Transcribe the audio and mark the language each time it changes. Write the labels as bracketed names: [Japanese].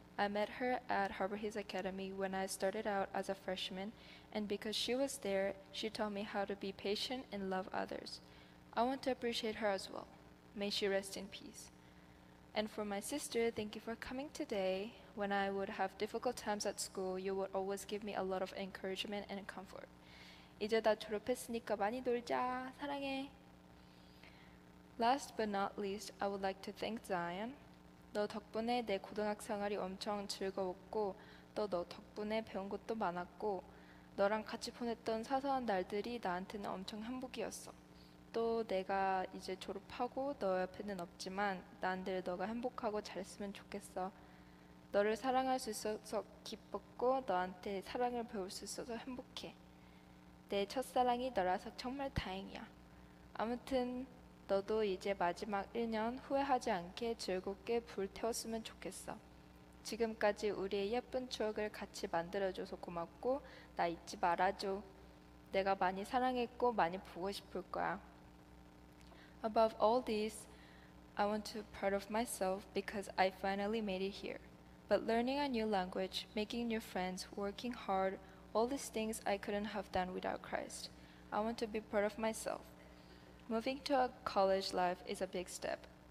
[English] I met her at Harbor Hills Academy when I started out as a freshman, and because she was there, she taught me how to be patient and love others. I want to appreciate her as well. May she rest in peace. And for my sister, thank you for coming today. When I would have difficult times at school, you would always give me a lot of encouragement and comfort. [Korean] 이제 다 졸업했으니까 많이 놀자. 사랑해. [English] Last but not least, I would like to thank Zion. [Korean] 너 덕분에 내 고등학교 생활이 엄청 즐거웠고 또 너 덕분에 배운 것도 많았고 너랑 같이 보냈던 사소한 날들이 나한테는 엄청 행복이었어. 또 내가 이제 졸업하고 너 옆에는 없지만 난 늘 너가 행복하고 잘했으면 좋겠어. 너를 사랑할 수 있어서 기뻤고 너한테 사랑을 배울 수 있어서 행복해. 내 첫사랑이 너라서 정말 다행이야. 아무튼 너도 이제 마지막 1년 후회하지 않게 즐겁게 불태웠으면 좋겠어. 지금까지 우리의 예쁜 추억을 같이 만들어줘서 고맙고 나 잊지 말아줘. 내가 많이 사랑했고 많이 보고 싶을 거야. [English] Above all this, I want to be proud of myself because I finally made it here. But learning a new language, making new friends, working hard, all these things I couldn't have done without Christ. I want to be proud of myself. Moving to a college life is a big step.